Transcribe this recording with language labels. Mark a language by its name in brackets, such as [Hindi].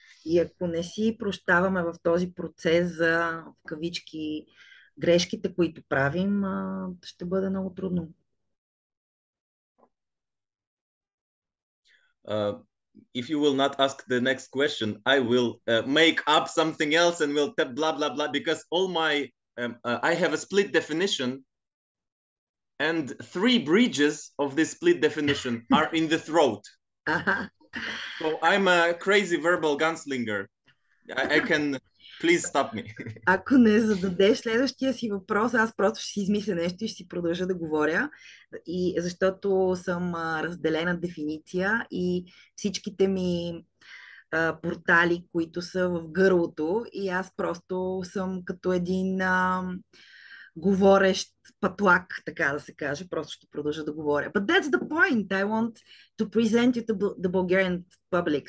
[Bulgarian] И ако не си прощаваме в този процес за в кавички грешките, които правим, ще бъде много трудно. [English] If you will not ask the next question, I will make up something else and will tap blah blah blah, because all my I have a split definition and three bridges of this split definition are in the throat. So I'm a crazy verbal gunslinger. I can please stop me. [Bulgarian] Ако не зададеш следващия си въпрос, аз просто ще си измисля нещо и ще си продължа да говоря. И защото съм разделена дефиниция и всичките ми портали, които са в гърлото, и аз просто съм като един говорещ патлак, така да се каже. Просто ще продължа да говоря. [English] But that's the point. I want to present you to the Bulgarian public.